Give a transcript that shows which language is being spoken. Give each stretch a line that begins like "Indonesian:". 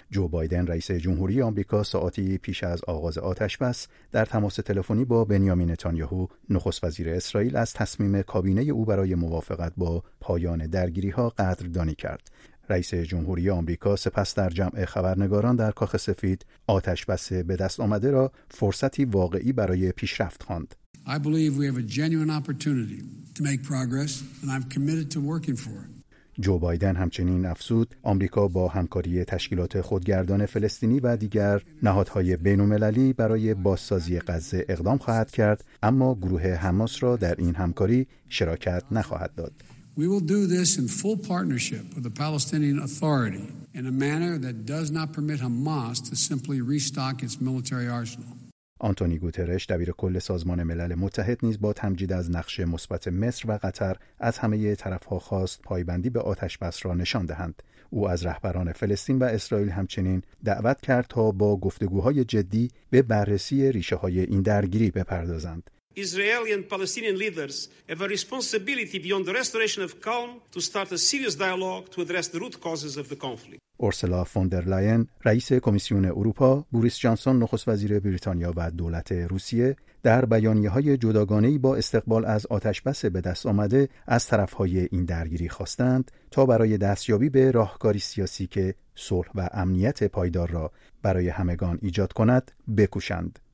Persian: جو بایدن رئیس جمهوری آمریکا ساعتی پیش از آغاز آتش‌بس در تماس تلفنی با بنیامین نتانیاهو نخست وزیر اسرائیل از تصمیم کابینه او برای موافقت با پایان درگیری‌ها قدردانی کرد. رئیس جمهوری آمریکا سپس در جمع خبرنگاران در کاخ سفید آتش بس به دست آمده را فرصتی واقعی برای پیشرفت خواند.
English: I believe we have a genuine opportunity to make progress and I'm committed to working for it.
Persian: جو بایدن همچنین افزود آمریکا با همکاری تشکیلات خودگردان فلسطینی و دیگر نهادهای بین‌المللی برای بازسازی غزه اقدام خواهد کرد، اما گروه حماس را در این همکاری شراکت نخواهد داد.
English: We will do this in full partnership with the Palestinian Authority in a manner that does not permit Hamas to simply restock its military arsenal.
Persian: آنتونی گوترش دبیر کل سازمان ملل متحد نیز با تمجید از نقش مثبت مصر و قطر از همه طرف‌ها خواست پایبندی به آتش بس را نشان دهند. او از رهبران فلسطین و اسرائیل همچنین دعوت کرد تا با گفتگوهای جدی به بررسی ریشه‌های این درگیری بپردازند.
English: Israeli and Palestinian leaders have a responsibility beyond the restoration of calm to start a serious dialogue to address the root causes of the conflict.
Persian: اورسولا فون در لاین، رئیس کمیسیون اروپا، بوریس جانسون نخست وزیر بریتانیا و دولت روسیه در بیانیه‌های جداگانه‌ای با استقبال از آتش‌بس به دست آمده از طرف‌های این درگیری خواستند تا برای دستیابی به راهکاری سیاسی که صلح و امنیت پایدار را برای همگان ایجاد کند بکوشند.